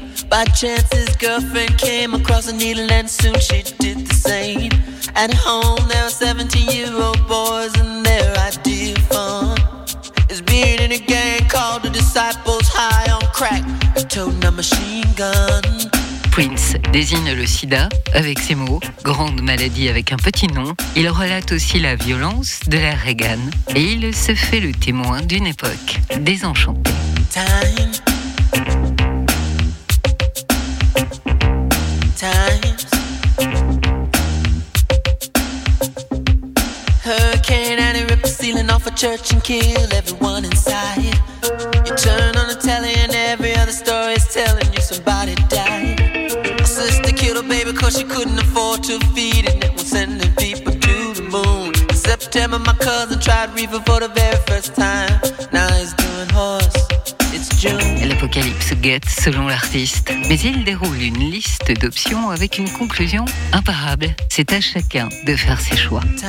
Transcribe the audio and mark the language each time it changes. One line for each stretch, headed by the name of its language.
English: By chance his girlfriend came across a needle and soon she did the same. At home there are 17-year-old boys and their idea of fun is being in a gang called the Disciples, high on crack, toting a machine gun.
French: Prince désigne le sida avec ses mots, grande maladie avec un petit nom. Il relate aussi la violence de la Reagan et il se fait le témoin d'une époque désenchantée.
English: Time. Times. Hurricane and it rip the ceiling off a church and kill everyone inside. You turn on the telly and every other story is telling you somebody died. My sister killed a baby cause she couldn't afford to feed it, and it was sending people to the moon. In September my cousin tried reefer for the very first time. Now he's doing horse.
French: L'apocalypse guette selon l'artiste, mais il déroule une liste d'options avec une conclusion imparable. C'est à chacun de faire ses choix.